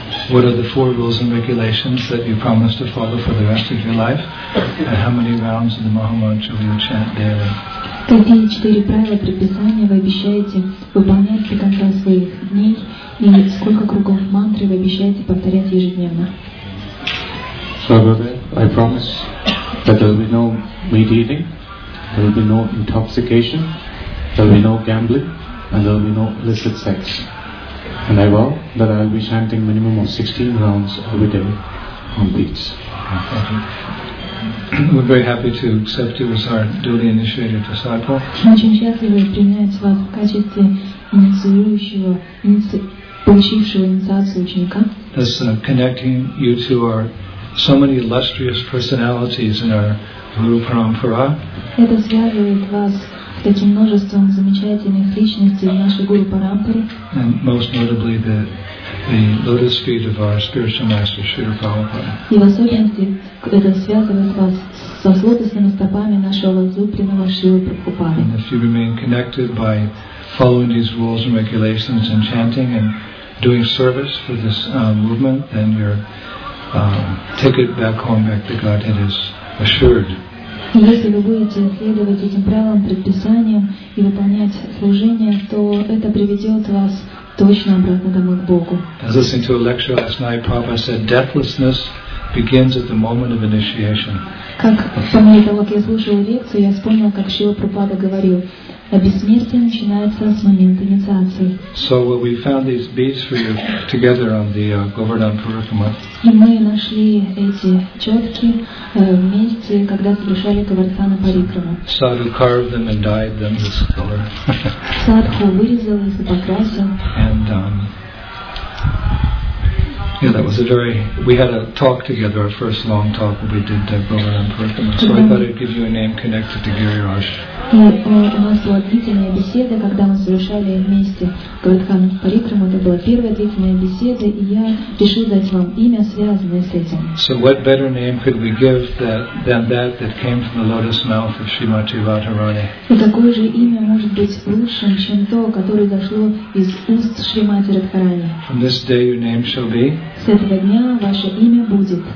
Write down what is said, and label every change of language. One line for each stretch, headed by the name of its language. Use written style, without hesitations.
English: What are the four rules and regulations that you promise to follow for the rest of your life? And how many rounds of the Mahamantra will you chant daily?
Russian: Какие четыре правила предписания вы обещаете выполнять до конца своих дней? И сколько кругов мантры вы обещаете повторять ежедневно?
English: I promise that there will be no meat eating, there will be no intoxication, there will be no gambling, and there will be no illicit sex. And I vow that I will be chanting minimum of 16 rounds every day on beats. We're very happy to accept you as our duly initiated disciple.
Russian: Очень счастливы принять вас в качестве инициирующего, получившего инициацию ученика.
English: That's connecting you to our so many illustrious personalities in our Guru Parampara.
Russian: Это связывает вас с таким множеством замечательных личностей в нашей Гуру Парампаре.
English: And most notably the lotus feet of our spiritual master Srila Prabhupada.
Russian: И в особенности это связывает вас со лотосными стопами нашего возлюбленного Шрилы Прабхупады.
English: And if you remain connected by following these rules and regulations and chanting and doing service for this movement, then your ticket back home back to Godhead is assured.
Russian: Если вы будете следовать этим правилам, предписаниям и выполнять служение, то это приведет вас точно обратно домой к Богу.
English: I was listening to a lecture last night. Prabhupada said, "Deathlessness begins at the moment of initiation."
Russian: Как по мере того, как я слушала лекцию, я вспомнила, как Шрила Прабхупада говорил: "О бессмертии начинается с момента инициации."
English: So we found these beads for you together on the Govardhan Parikrama.
Russian: И мы нашли эти четки вместе, когда совершали Говардхана Парикраму.
English: Sadhu carved them and dyed them this color.
Russian: Садху вырезал их и покрасил.
English: And yeah, that was a very. We had a talk together, our first long talk when we did the Govardhan Parikrama. So I thought I'd give you a name connected to Giriraj.
Russian: У нас была длительная беседа, когда мы совершали вместе Говардхана Парикраму. Это была первая длительная беседа, и я решил дать вам имя, связанное с этим.
English: So what better name could we give than that came from the lotus mouth of Srimati Radharani?
Russian: И какое же имя может быть лучше, чем то, которое дошло из уст Шримати Радхарани?
English: From this day your name shall be.
Russian: С этого дня ваше имя будет.